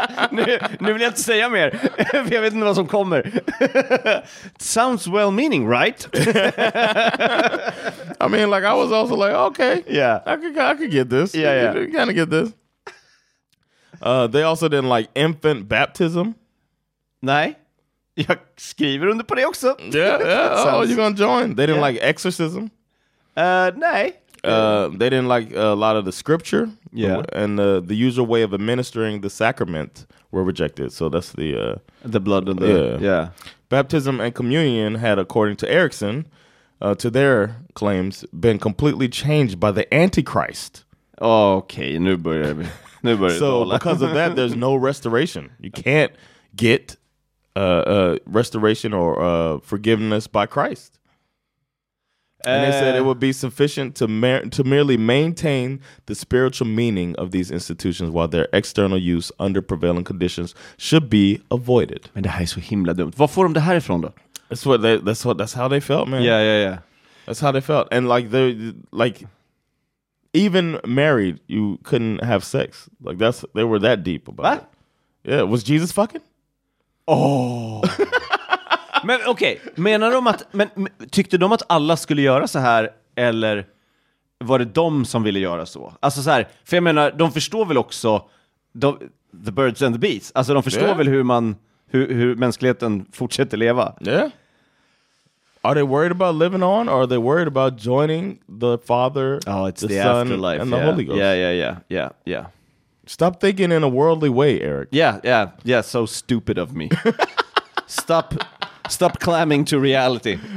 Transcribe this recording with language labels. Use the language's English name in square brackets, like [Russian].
[Swedish] nu vill jag inte säga mer, för jag vet inte vad som kommer. [English] Sounds well-meaning, right? I mean, like, I was also like, okay. Yeah. I could get this. Yeah, yeah. You kind of get this. They also didn't like infant baptism. [Swedish] Nej. Jag skriver under på det också. [English] Yeah. Oh, you're gonna join. They didn't like exorcism. [Swedish] Nej. [English] They didn't like a lot of the scripture. Yeah. And the usual way of administering the sacrament were rejected. So that's the blood of the... Yeah. Yeah. Baptism and communion had, according to Erickson, to their claims, been completely changed by the Antichrist. [Swedish] Okay. Nu börjar vi. Nu börjar [English] so because of that, there's no restoration. You can't get... restoration or forgiveness by Christ. And they said it would be sufficient to merely maintain the spiritual meaning of these institutions while their external use under prevailing conditions should be avoided. [Swedish] Men det här är så himla dumt. Var får de det här ifrån då? [English] That's how they felt, man. Yeah, yeah, yeah. That's how they felt. And like they like even married, you couldn't have sex. Like that's they were that deep about what? It. Yeah, was Jesus fucking? [Swedish] Oh. Men okej, okay. Menar de att men tyckte de att alla skulle göra så här eller var det de som ville göra så? Alltså så här, för jag menar de förstår väl också [English] the birds and the bees. [Swedish] Alltså de förstår väl hur mänskligheten fortsätter leva. [English] Yeah. Are they worried about living on or are they worried about joining the Father, it's the Son, afterlife, and the Holy Ghost? Yeah, yeah, yeah. Yeah, yeah. Stop thinking in a worldly way, Eric. Yeah, yeah, yeah. So stupid of me. Stop clamming to reality.